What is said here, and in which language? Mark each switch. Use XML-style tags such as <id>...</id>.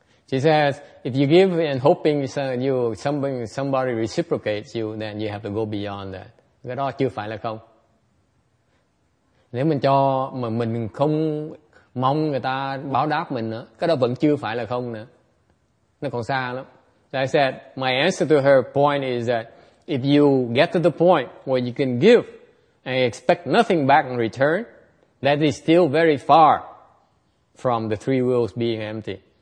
<en>She says, if you give and hoping somebody reciprocates you, then you have to go beyond that.</en> <vi>Cái đó chưa phải là không. Nếu mình cho mà mình không mong người ta báo đáp mình nữa, cái đó vẫn chưa phải là không nữa. Nó còn xa lắm.</vi> <en>So I said, my answer to her point is that if you get to the point where you can give and expect nothing back in return, that is still very far from the three wheels being empty.</en>